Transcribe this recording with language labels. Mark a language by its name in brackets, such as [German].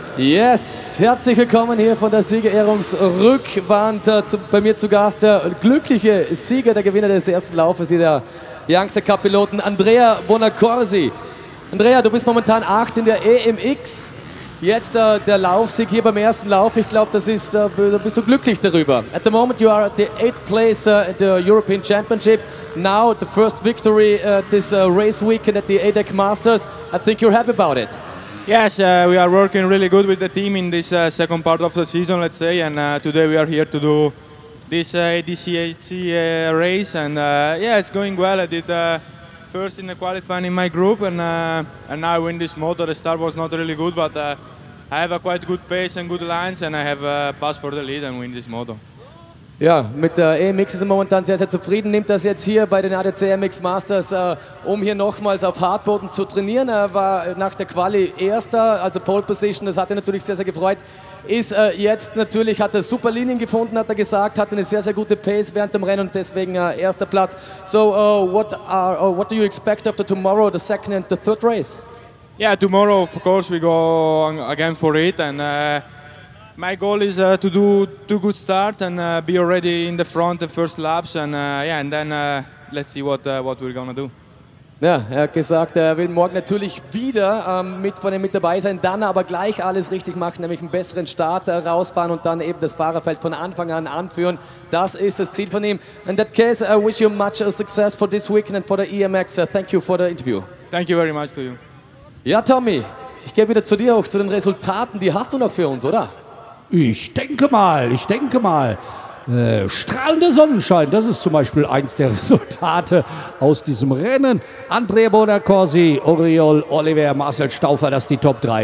[German] Yes, herzlich willkommen hier von der Siegerehrungsrückwand. Bei mir zu Gast der glückliche Sieger, der Gewinner des ersten Laufes, hier der Youngster Cup-Piloten Andrea Bonacorsi. Andrea, du bist momentan 8 in der EMX. Jetzt der Laufsieg hier beim ersten Lauf. Ich glaube, bist du glücklich darüber. [English] At the moment you are at the 8th place at the European Championship. Now the first victory this race weekend at the ADAC Masters. I think you're happy about it. Yes, we are working really good with the team in this second part of the season, let's say. And today we are here to do this ADCAC race. And it's going well. I did first in the qualifying in my group, and now I win this moto. The start was not really good, but I have a quite good pace and good lines, and I have a pass for the lead and win this moto. [German] Ja, mit der EMX ist er momentan sehr, sehr zufrieden. Nimmt das jetzt hier bei den ADAC EMX Masters, um hier nochmals auf Hardboden zu trainieren. Er war nach der Quali Erster, also Pole Position, das hat ihn natürlich sehr, sehr gefreut. Ist jetzt natürlich, hat er super Linien gefunden, hat er gesagt, hat eine sehr, sehr gute Pace während dem Rennen und deswegen erster Platz. [English] So, what do you expect after tomorrow, the second and the third race? Yeah, tomorrow, of course, we go again for it and... My goal is to do two good start and be already in the front the first laps and let's see what we're gonna do. [German] Ja, er hat gesagt, er will morgen natürlich wieder mit von ihm mit dabei sein, dann aber gleich alles richtig machen, nämlich einen besseren Start rausfahren und dann eben das Fahrerfeld von Anfang an anführen. Das ist das Ziel von ihm. [English] In that case, I wish you much success for this weekend and for the EMX. Thank you for the interview. Thank you very much to you. [German] Ja, Tommy, ich gehe wieder zu dir hoch, zu den Resultaten. Die hast du noch für uns, oder? Ich denke mal, strahlender Sonnenschein, das ist zum Beispiel eins der Resultate aus diesem Rennen. Andrea Bonacorsi, Oriol, Oliver, Marcel Staufer, das ist die Top 3.